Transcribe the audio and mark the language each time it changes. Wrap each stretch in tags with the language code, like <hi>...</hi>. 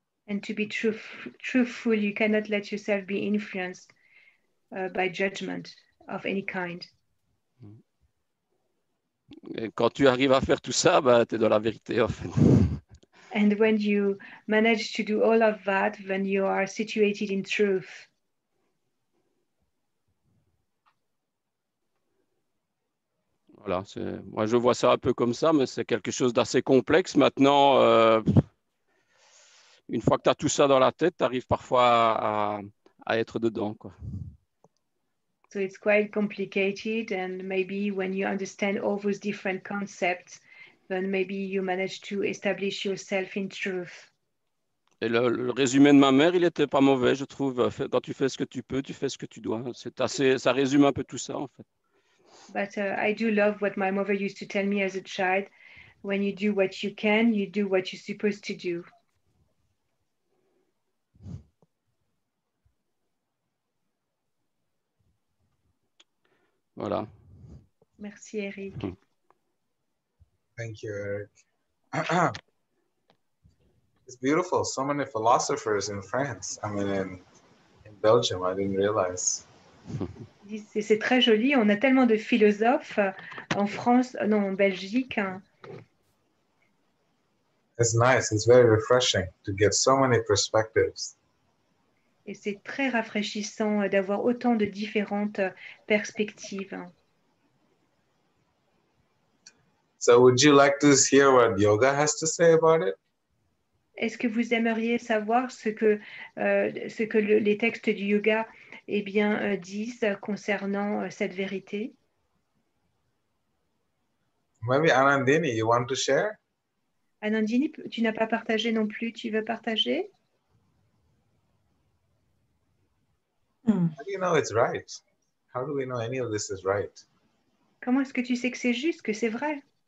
<en>And to be truthful, you cannot let yourself be influenced by judgment of any kind.</en> <fr>Et quand tu arrives à faire tout ça, bah, tu es dans la vérité, en fait.</fr> <en>And when you manage to do all of that, when you are situated in truth.</en> <fr>Voilà, moi je vois ça un peu comme ça, mais c'est quelque chose d'assez complexe. Maintenant, une fois que tu as tout ça dans la tête, tu arrives parfois à être dedans, quoi.</fr> <en>So it's quite complicated, and maybe when you understand all those different concepts, then maybe you manage to establish yourself in truth.</en> <fr>Et le résumé de ma mère, il était pas mauvais, je trouve. Quand tu fais ce que tu peux, tu fais ce que tu dois. Ça résume un peu tout ça, en fait.</fr> <en>But I do love what my mother used to tell me as a child. When you do what you can, you do what you're supposed to do.</en> <fr>Voilà. Merci, Eric.</fr> <en>Thank you, Eric. It's beautiful. So many philosophers in France. I mean, in Belgium, I didn't realize.</en> <fr>C'est très joli, on a tellement de philosophes en France, non, en Belgique.</fr> <en>It's nice, it's very refreshing to get so many perspectives.</en> <fr>Et c'est très rafraîchissant d'avoir autant de différentes perspectives.</fr> <en>So would you like to hear what yoga has to say about it?</en> <fr>Est-ce que vous aimeriez savoir les textes du yoga disent concernant cette vérité?</fr> <en>Maybe Anandini, you want to share?</en> <fr>Anandini, tu n'as pas partagé non plus, tu veux partager?</fr> <en>How do you know it's right? How do we know any of this is right?</en> <fr>Comment est-ce que tu sais que c'est juste, que c'est vrai?</fr>